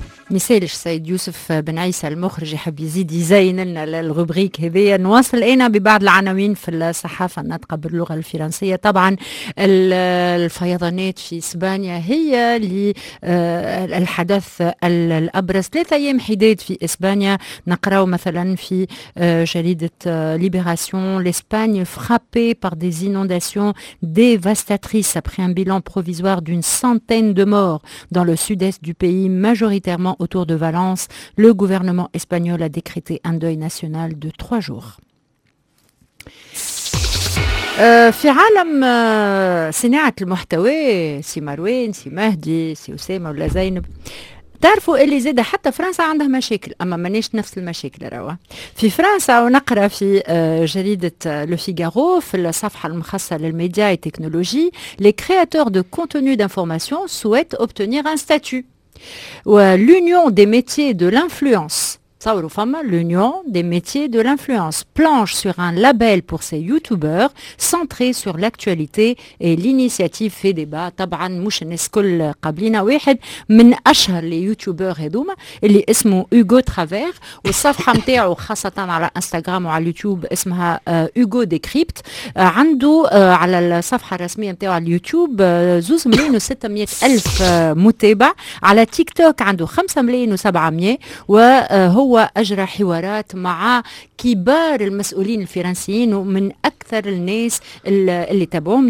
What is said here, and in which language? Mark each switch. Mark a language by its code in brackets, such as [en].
[ar] مسالش سيد يوسف بن عيسى المخرج يحب يزيد يزين لنا الروبريك هذية. نواصل أنا ببعض العناوين في الصحافة الناطقة باللغة الفرنسية. طبعا الفيضانات في إسبانيا هي الحدث الأبرز، ثلاثة أيام حداد في إسبانيا. نقرأ مثلا في جريدة ليبراسيون: الإسبانية [fr] frappée par des inondations dévastatrices après un bilan provisoire d'une centaine de morts dans le sud-est du pays, majoritairement autour de Valence. Le gouvernement espagnol a décrété un deuil national de 3 jours. [ar] في عالم صناعة المحتوى، سي ماروين، سي مهدي، سي أسامة ولا زينب، تعرفوا اللي زاد حتى فرنسا عندها مشاكل، اما مانيش نفس المشاكل روا في فرنسا. ونقرا في جريده لو فيغارو في الصفحه المخصصه للميديا اي تكنولوجي: [fr] لي كرياتور دو كونتوني دانفورماسيون سويت اوبتونير ان ستاتو. L'Union des métiers de l'influence, l'Union des métiers de l'influence planche sur un label pour ses youtubeurs centré sur l'actualité et l'initiative fait débat. [ar] طبعاً مش نسكول قبلنا، واحد من أشهر اليوتيوبر هذوما اللي اسمه هوغو ترافير، والصفحة متاعه خاصة على انستغرام وعلى اليوتيوب اسمها هوغو ديكريبت. عنده على الصفحة الرسمية متاعه على اليوتيوب 2,600,000 متابع، على تيك توك عنده 5,700,000، وهو أجرى حوارات مع كبار المسؤولين الفرنسيين ومن أكثر الناس اللي تابعهم.